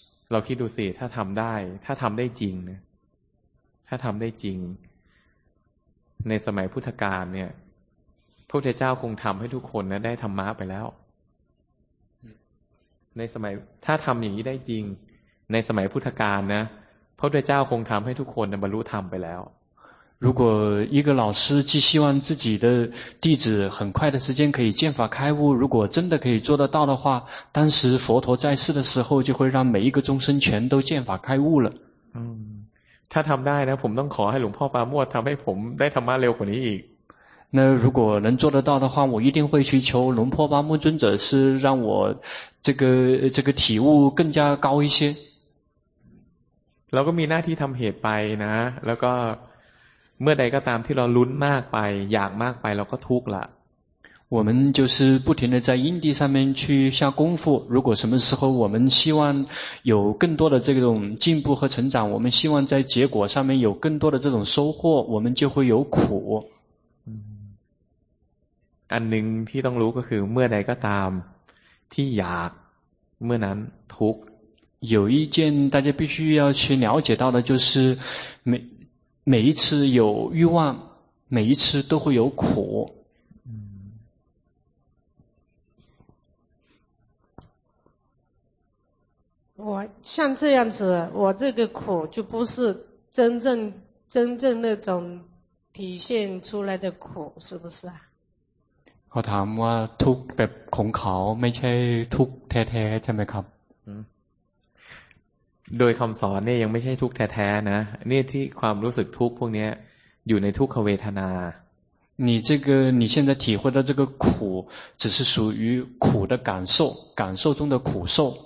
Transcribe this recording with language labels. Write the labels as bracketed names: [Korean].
[Thai] เราคิดดูสิถ้าทำได้ถ้าทำได้จริงถ้าทำได้จริงในสมัยพุทธกาลเนี่ยพระพุทธเจ้าคงทำให้ทุกคนนะได้ธรรมะไปแล้วในสมัยถ้าทำอย่างนี้ได้จริงในสมัยพุทธกาลนะพระพุทธเจ้าคงทำให้ทุกคนนะบรรลุธรรมไปแล้ว [Chinese] 如果一个老师既希望自己的弟子很快的时间可以见法开悟如果真的可以做得到的话当时佛陀在世的时候就会让每一个众生全都见法开悟了他 [Thai] ทำได้นะผมต้องขอให้หลวงพ่อปาโมทย์ทำให้ผมได้ธรรมะเร็วกว่านี้อีก [Chinese] 那如果能做得到的话我一定会去求龙婆巴木尊者是让我这个体悟更加高一些 [Thai] เราก็มีหน้าที่ทำเหตุไปนะแล้วก็เมื่อใดก็ตามที่เราลุ้นมากไปอยากมากไปเราก็ทุกข์ละ [Chinese] 我们就是不停地在因地上面去下功夫如果什么时候我们希望有更多的这种进步和成长我们希望在结果上面有更多的这种收获我们就会有苦 [Thai] อันหนึ่งที่ต้องรู้ก็คือเมื่อใดก็ตามที่อยากเมื่อนั้นทุกข์ [Chinese] 有一件大家必须要去了解到的就是每一次有欲望每一次都会有苦我像这样子我这个苦就不是真正那种体现出来的苦是不是啊 [Thai] เขาถามว่าทุกแบบของเขาไม่ใช่ทุกแท้ๆใช่ไหมครับ โดยคำสอนเนี่ยยังไม่ใช่ทุกแท้ๆนะนี่ที่ความรู้สึกทุกพวกนี้อยู่ในทุกขเวทนา [Chinese] 你现在体会的这个苦只是属于苦的感受感受中的苦受